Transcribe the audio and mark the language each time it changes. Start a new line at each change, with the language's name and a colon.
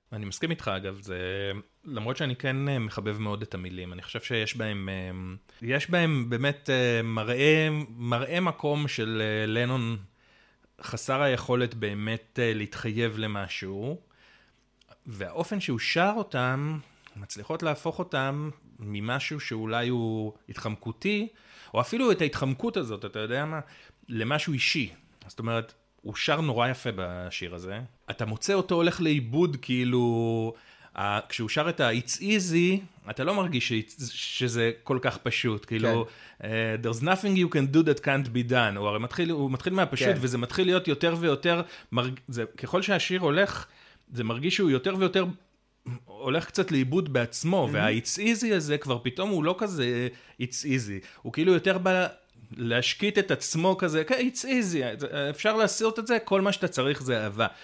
Hebrew: אני מסכים איתך אגב, זה, למרות שאני כן מחבב מאוד את המילים, אני חושב שיש בהם, באמת מראה מקום של לנון חסר היכולת באמת להתחייב למשהו, והאופן שהוא שר אותם, מצליחות להפוך אותם ממשהו שאולי הוא התחמקותי, או אפילו את ההתחמקות הזאת, אתה יודע מה, למשהו אישי. זאת אומרת, הוא שר נורא יפה בשיר הזה. אתה מוצא אותו הולך לאיבוד, כאילו, כשהוא שר את ה-It's easy, אתה לא מרגיש שזה כל כך פשוט.
English: כאילו, there's nothing you can do that can't be done.
Hebrew: הוא הרי מתחיל, הוא מתחיל מהפשוט, וזה מתחיל להיות יותר ויותר, ככל שהשיר הולך, זה מרגיש שהוא יותר ויותר הולך קצת לאיבוד בעצמו, וה-It's easy הזה כבר פתאום הוא לא כזה It's easy. הוא כאילו יותר בא להשקיט את עצמו כזה, okay, It's easy, אפשר להסיר את זה, כל מה שאתה צריך זה אהבה.